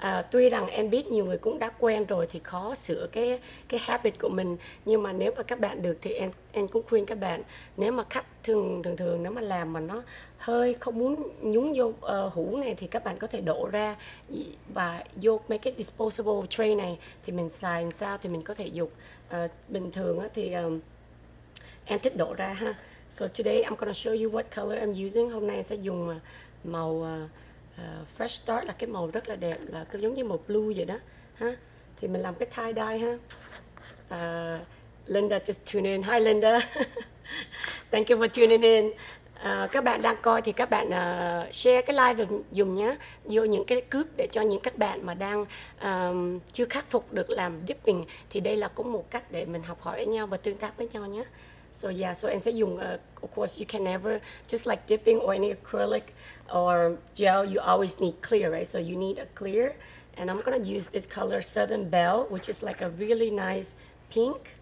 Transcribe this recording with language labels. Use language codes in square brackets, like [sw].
[vi] Tuy rằng em biết nhiều người cũng đã quen rồi thì khó sửa cái habit của mình, nhưng mà nếu mà các bạn được thì em cũng khuyên các bạn, nếu mà khách thường nếu mà làm mà nó hơi không muốn nhúng vô hũ này thì các bạn có thể đổ ra và vô mấy cái [en] disposable tray [vi] này thì mình xài làm sao thì mình có thể dùng. Bình thường thì em thích đổ ra ha. [en] So today I'm gonna show you what color I'm using. [vi] Hôm nay em sẽ dùng màu Fresh Start, là cái màu rất là đẹp, là cứ giống như màu blue vậy đó. Ha? Thì mình làm cái tie dye ha. [en] Linda just tuned in. Hi Linda. Thank you for tuning in. [vi] Các bạn đang coi thì các bạn share cái like dùm nhé, vô những cái group để cho những các bạn mà đang chưa khắc phục được làm dipping thì đây là cũng một cách để mình học hỏi với nhau và tương tác với nhau nhé. [en] So yeah, so [vi] em sẽ dùng, [en] of course, you can never, just like dipping or any acrylic or gel, you always need clear, right? So you need a clear, and I'm gonna use this color Southern Belle, which is like a really nice pink.